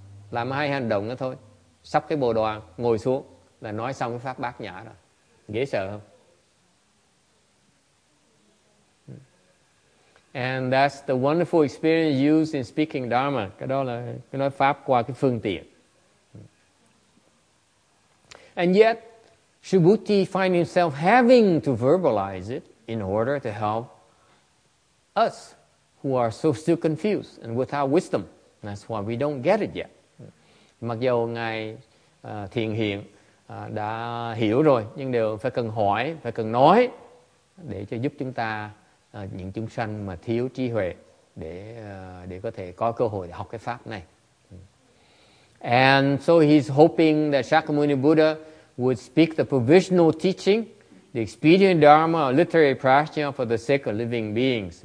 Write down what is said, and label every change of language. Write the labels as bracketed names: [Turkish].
[Vietnamese] làm hai hành động đó thôi, sắp cái bồ đoàn, ngồi xuống là nói xong cái pháp bát nhã rồi. Dễ sợ không? [English] And that's the wonderful experience used in speaking Dharma. [Vietnamese] Cái đó là cái nói pháp qua cái phương tiện. [English] And yet, Subhuti finds himself having to verbalize it in order to help us who are so still confused and without wisdom. That's why we don't get it yet. [Vietnamese] Mặc dù Ngài Thiện Hiện đã hiểu rồi, nhưng đều phải cần hỏi, phải cần nói để cho giúp chúng ta những chúng sanh mà thiếu trí huệ để có thể có cơ hội để học cái pháp này. [English] And so he's hoping that Shakyamuni Buddha would speak the provisional teaching, the expedient dharma or literary prajna for the sake of living beings.